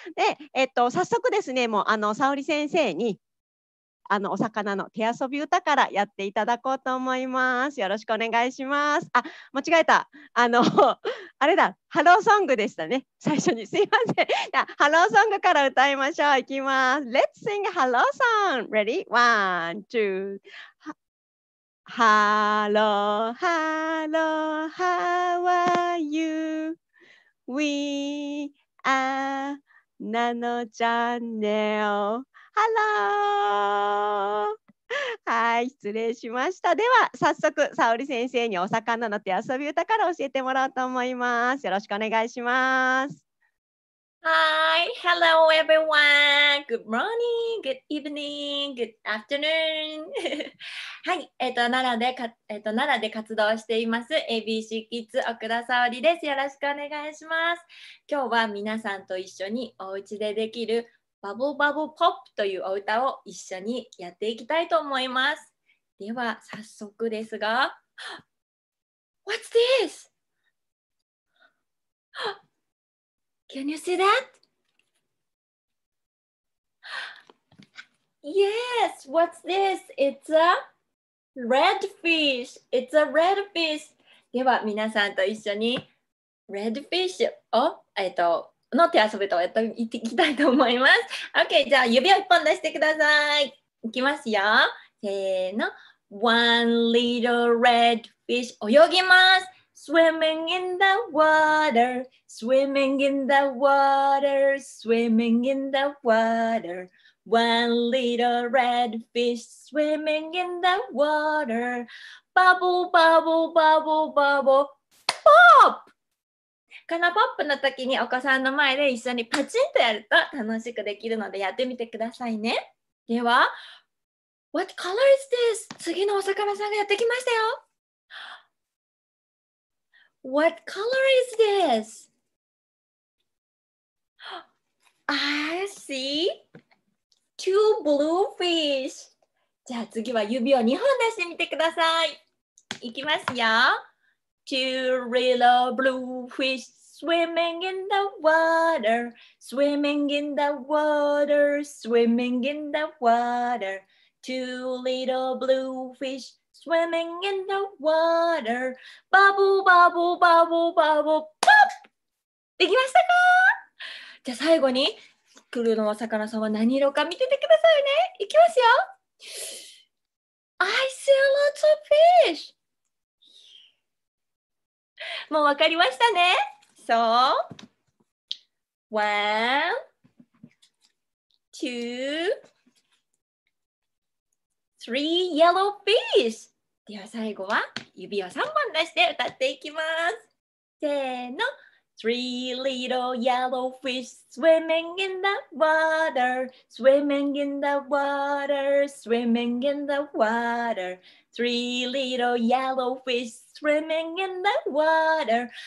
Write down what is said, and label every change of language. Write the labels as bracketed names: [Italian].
[Japanese] で、早速ですね、もう沙織先生にお魚の手遊び歌からやっていただこうと思います。よろしくお願いします。あ、間違えた、あれだ、ハローソングでしたね、最初に、すいません。じゃハローソングから歌いましょう。いきます。 [English] Let's sing hello song. Ready? One, two. ハロー、ハロー、How are you? We are Nano Channel. [Japanese] ハロー。はい、失礼しました。では、早速、沙織先生にお魚の手遊び歌から教えてもらおうと思います。よろしくお願いします。 [English] Hi, hello everyone. Good morning, good evening, good afternoon. [Japanese] はい、奈良で活動しています ABC Kids 奥田沙織です。よろしくお願いします。今日は皆さんと一緒にお家でできるバブバブポップというお歌を一緒にやっていきたいと思います。では早速ですが、 [English] What's this? Can you see that? Yes, what's this? It's a red fish. It's a red fish. [Japanese] では、皆さんと一緒に red fish を、の手遊びとやっていきたいと思います。 OK, じゃあ指を一本出してください。いきますよ。せーの。 [English] One little red fish [Japanese] 泳ぎます。 [English] Swimming in the water, swimming in the water, swimming in the water. One little red fish swimming in the water. Bubble, bubble, bubble, bubble, pop! [Japanese] このポップの時にお子さんの前で一緒にパチンとやると楽しくできるのでやってみてくださいね。 [English] では、What color is this? [Japanese] 次のお魚さんがやってきましたよ。 [English] What color is this? I see two blue fish. [Japanese] じゃあ次は指を2本出してみてください。いきますよ。 [English] Two little blue fish swimming in the water, swimming in the water, swimming in the water. Two little blue fish. Swimming in the water. Bubble, bubble, bubble, bubble, pop! [Japanese] できましたか？じゃあ最後に来るのお魚さんは何色か見ててくださいね。いきますよ。 [English] I see lots of fish! [Japanese] もうわかりましたね。 [English] So, one, two, three yellow fish! [Japanese] では最後は指を3本出して歌っていきます。せーの。 [English] Three little yellow fish swimming in the water, swimming in the water, swimming in the water. Three little yellow fish swimming in the water.